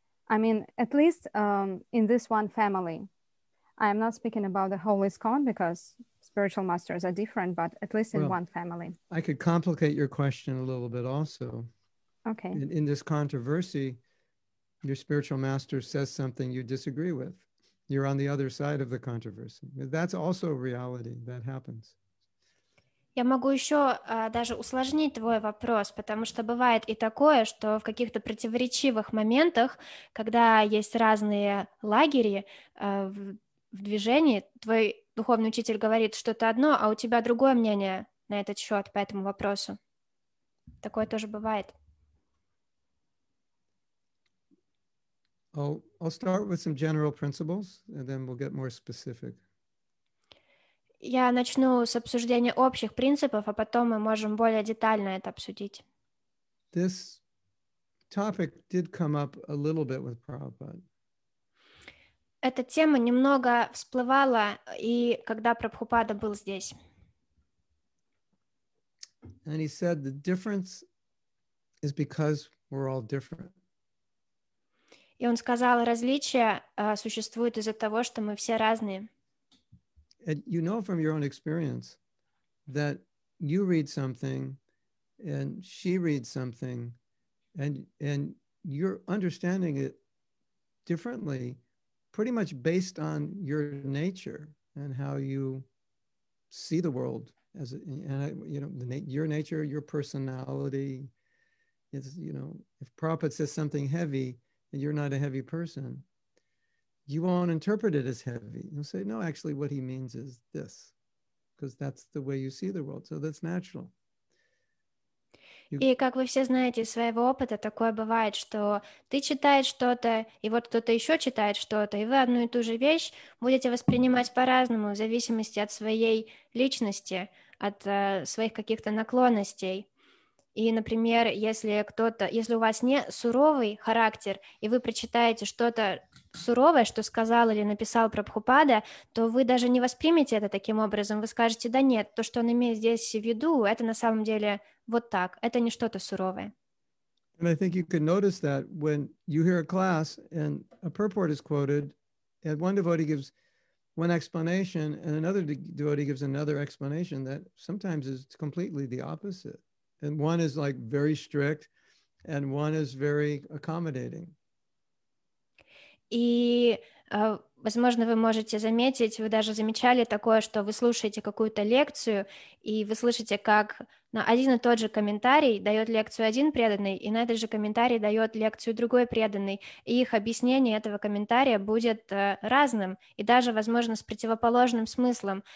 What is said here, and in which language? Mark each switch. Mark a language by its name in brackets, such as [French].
[English] I mean, at least in this one family, I am not speaking about the whole ISKCON because spiritual masters are different, but at least in one family. I could complicate your question a little bit also. Okay. In this controversy, your spiritual master says something you disagree with. You're on the other side of the controversy. That's also reality that happens. [Russian] Я могу еще даже усложнить твой вопрос, потому что бывает и такое, что в каких-то противоречивых моментах, когда есть разные лагеря, в движении, твой духовный учитель говорит что-то одно, а у тебя другое мнение на этот счет по этому вопросу. Такое тоже бывает. [English] I'll start with some general principles, and then we'll get more specific. [Russian] Я начну с обсуждения общих принципов, а потом мы можем более детально это обсудить. [English] This topic did come up a little bit with Prabhupada. [Russian] Эта тема немного всплывала, и когда Прабхупада был здесь. [English] And he said the difference is because we're all different. [Russian] И он сказал, различия существуют из-за того, что мы все разные. [English] And you know from your own experience that you read something, and she reads something, and you're understanding it differently, pretty much based on your nature and how you see the world as your nature, your personality is, you know, if Prabhupada says something heavy and you're not a heavy person, you won't interpret it as heavy. You'll say, no, actually what he means is this, because that's the way you see the world. So that's natural. [Russian] И как вы все знаете из своего опыта, такое бывает, что ты читаешь что-то, и вот кто-то еще читает что-то, и вы одну и ту же вещь будете воспринимать по-разному в зависимости от своей личности, от своих каких-то наклонностей. И, например, если кто-то, если у вас не суровый характер, и вы прочитаете что-то суровое, что сказал или написал Прабхупада, то вы даже не воспримете это таким образом. Вы скажете, да нет, то, что он имеет здесь в виду, это на самом деле вот так. Это не что-то суровое. [English] And I think you can notice that when you hear a class and a purport is quoted, and one devotee gives one explanation and another devotee gives another explanation, that sometimes is completely the opposite. And one is like very strict and one is very accommodating. [Russian] И, возможно, вы можете заметить, вы даже замечали такое, что вы слушаете какую-то лекцию, и вы слышите, как на один и тот же комментарий дает лекцию один преданный, и на этот же комментарий дает лекцию другой преданный, и их объяснение этого комментария будет разным, и даже, возможно, с противоположным смыслом.